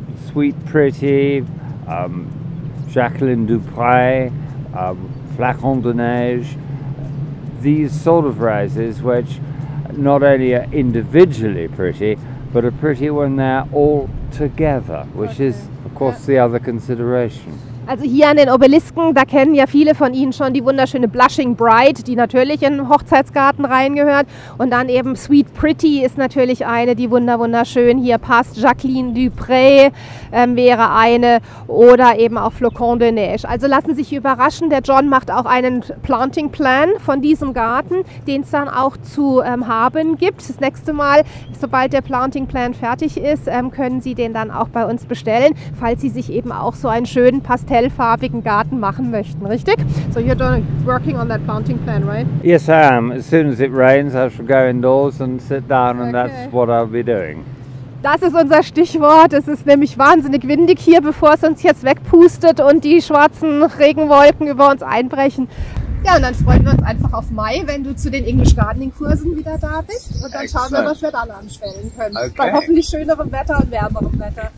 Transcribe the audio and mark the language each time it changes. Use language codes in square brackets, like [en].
[en] Sweet Pretty, Jacqueline Dupré, Flacon de Neige, these sort of roses which not only are individually pretty, but are pretty when they're all together, which is, of course, the other consideration. [de] Also hier an den Obelisken, da kennen ja viele von Ihnen schon die wunderschöne Blushing Bride, die natürlich in den Hochzeitsgarten reingehört. Und dann eben Sweet Pretty ist natürlich eine, die wunderschön hier passt. Jacqueline Dupré wäre eine oder eben auch Flocon de Neige. Also lassen Sie sich überraschen, der John macht auch einen Planting Plan von diesem Garten, den es dann auch zu haben gibt. Das nächste Mal, sobald der Planting Plan fertig ist, können Sie den dann auch bei uns bestellen, falls Sie sich eben auch so einen schönen pastellfarbigen Garten machen möchten, richtig? [en] So you're doing, working on that planting plan, right? Yes, I am. As soon as it rains, I shall go indoors and sit down and that's what I'll be doing. [de] Das ist unser Stichwort. Es ist nämlich wahnsinnig windig hier, bevor es uns jetzt wegpustet und die schwarzen Regenwolken über uns einbrechen. Ja, und dann freuen wir uns einfach auf Mai, wenn du zu den English Gardening Kursen wieder da bist. Und dann schauen wir, was wir dann anstellen können. Okay. Bei hoffentlich schönerem Wetter und wärmerem Wetter.